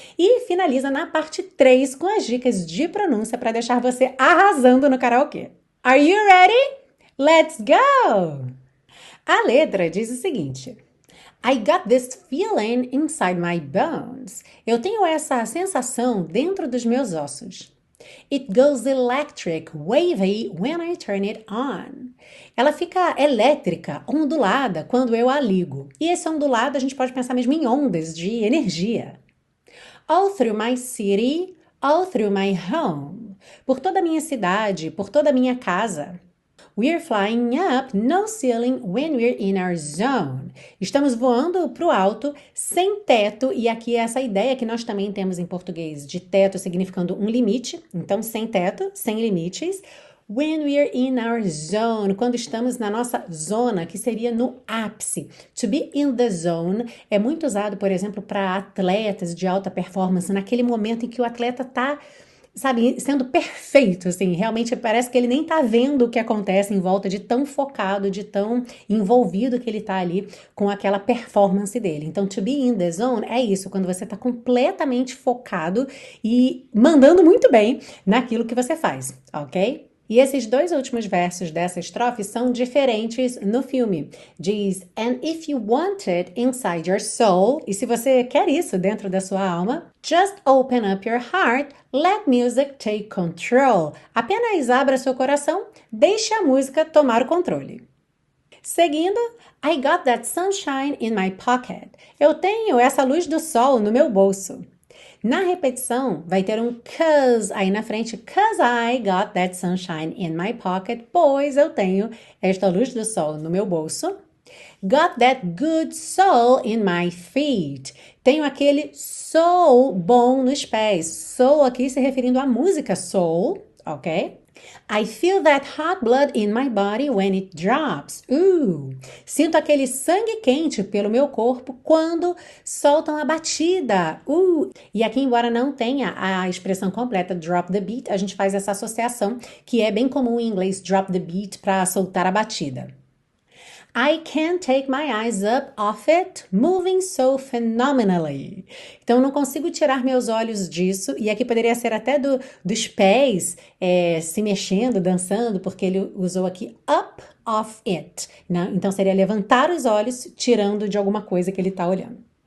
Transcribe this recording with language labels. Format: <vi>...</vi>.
<pt>E finaliza na parte 3, com as dicas de pronúncia para deixar você arrasando no karaokê.</pt> <en>Are you ready? Let's go!</en> <pt>A letra diz o seguinte.</pt> <en>I got this feeling inside my bones.</en> <pt>Eu tenho essa sensação dentro dos meus ossos.</pt> <en>It goes electric, wavy when I turn it on.</en> <pt>Ela fica elétrica, ondulada quando eu a ligo. E esse ondulado a gente pode pensar mesmo em ondas de energia.</pt> <en>All through my city, all through my home.</en> <pt>Por toda a minha cidade, por toda a minha casa.</pt> <en>We're flying up, no ceiling, when we're in our zone.</en> <pt>Estamos voando para o alto, sem teto, e aqui é essa ideia que nós também temos em português de teto significando um limite, então sem teto, sem limites.</pt> <en>When we're in our zone,</en> <pt>quando estamos na nossa zona, que seria no ápice.</pt> <en>To be in the zone</en> <pt>é muito usado, por exemplo, para atletas de alta performance, naquele momento em que o atleta está. Sabe, sendo perfeito, assim, realmente parece que ele nem tá vendo o que acontece em volta, de tão focado, de tão envolvido que ele tá ali com aquela performance dele. Então,</pt> <en>to be in the zone</en> <pt>é isso, quando você tá completamente focado e mandando muito bem naquilo que você faz, ok? E esses dois últimos versos dessa estrofe são diferentes no filme. Diz,</pt> <en>and if you want it inside your soul,</en> <pt>e se você quer isso dentro da sua alma,</pt> <en>just open up your heart, let music take control.</en> <pt>Apenas abra seu coração, deixe a música tomar o controle. Seguindo,</pt> <en>I got that sunshine in my pocket.</en> <pt>Eu tenho essa luz do sol no meu bolso. Na repetição, vai ter um 'cause aí na frente,</pt> <en>'cause I got that sunshine in my pocket,</en> <pt>pois eu tenho esta luz do sol no meu bolso.</pt> <en>Got that good soul in my feet.</en> <pt>Tenho aquele soul bom nos pés. Soul aqui se referindo à música soul, ok?</pt> <en>I feel that hot blood in my body when it drops.</en> <pt>Sinto aquele sangue quente pelo meu corpo quando soltam a batida. E aqui, embora não tenha a expressão completa</pt> <en>drop the beat,</en> <pt>a gente faz essa associação que é bem comum em inglês drop the beat para soltar a batida.</pt> <en>I can't take my eyes up off it, moving so phenomenally.</en> <pt>Então, não consigo tirar meus olhos disso. E aqui poderia ser até dos pés, se mexendo, dançando, porque ele usou aqui</pt> <en>up off it,</en> <pt>né? Então, seria levantar os olhos, tirando de alguma coisa que ele está olhando.</pt>